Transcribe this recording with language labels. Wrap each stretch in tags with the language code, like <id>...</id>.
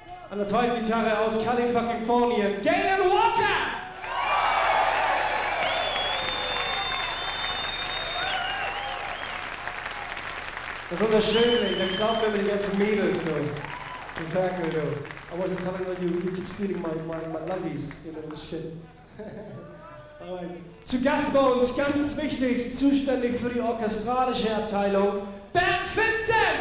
<de>An der zweiten Gitarre aus California, Galen Walker! Das ist unser Schönling, der klappt mit den ganzen Mädels.</de> <en>In fact, you know. I was just telling you, you keep stealing my lovies, you know, this shit.</en> <de>Zu Gast bei uns, ganz wichtig, zuständig für die orchestralische Abteilung, Bernd Finzen!</de>